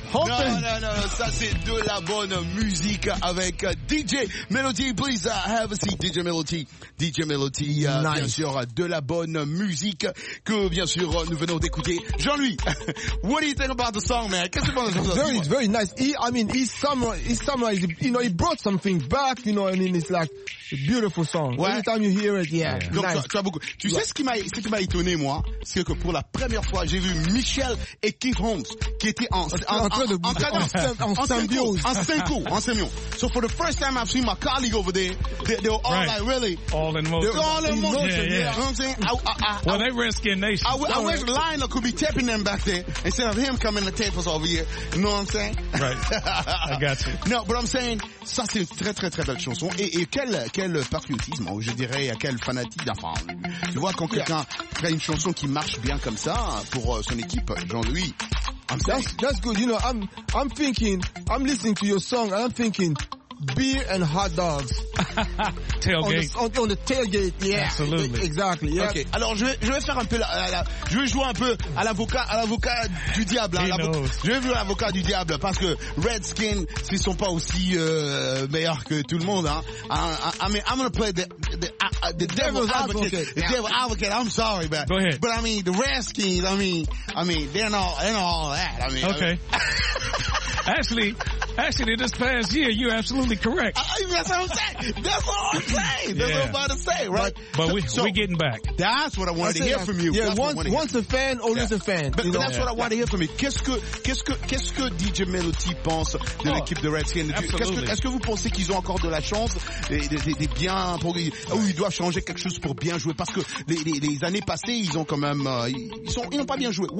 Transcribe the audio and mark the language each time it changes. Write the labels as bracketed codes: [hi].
[fr] Non, ça c'est de la bonne musique avec DJ Melody. [en] Please have a seat, DJ Melody. DJ Melody, nice. [fr] Bien sûr, de la bonne musique que bien sûr nous venons d'écouter. [en] Jean-Louis, what do you think about the song, man? [fr] Qu'est-ce que tu penses de ça? [en] Very, very nice. He summarized, you know, he brought some things back, you know, and it's like a beautiful song. [fr] Ouais. [en] Every time you hear it, yeah. [fr] Donc, [en] nice. [fr] Tu as beaucoup. Tu sais ce qui m'a étonné, moi, c'est que pour la première fois, j'ai vu Michel et Keith Holmes qui étaient En symbiose. [en] So for the first time I've seen my colleague over there, they were all right. Like, really? All in motion. They're all in motion, yeah. You know what I'm saying? They Redskin Nation. I wish Lionel could be tapping them back there instead of him coming to tape us over here. You know what I'm saying? Right. I got you. No, but I'm saying, [fr] ça c'est une très très très belle chanson. Et quel patriotisme, je dirais, quel fanatisme. Enfin, tu vois, quand quelqu'un crée une chanson qui marche bien comme ça pour son équipe, Jean-Louis, [en] That's good. You know, I'm thinking, I'm listening to your song, and I'm thinking beer and hot dogs. Tailgate. On the tailgate, yeah. Absolutely. Exactly, yeah. [fr] Okay, alors je vais faire un peu, je vais jouer un peu à l'avocat du diable. Hein, je vais jouer à l'avocat du diable, parce que Redskin, s'ils sont pas aussi meilleurs que tout le monde, hein, [en] I mean, I'm gonna play the, devil's advocate. I'm sorry, but go ahead. But I mean, the Redskins, they're not all that. I mean, okay. Actually, this past year, you're absolutely correct. That's what I'm saying. That's all I'm saying. That's what I'm about to say, right? But we're getting back. That's what I wanted to hear from you. Yeah, once a fan, always a fan. But that's what I wanted to hear from you. [fr] Qu'est-ce que DJ Melody pense de l'équipe de Redskins? Est-ce que vous pensez qu'ils ont encore de la chance de bien progresser? Ou ils doivent changer quelque chose pour bien jouer? Parce que les années passées, ils ont quand même, ils n'ont pas bien joué.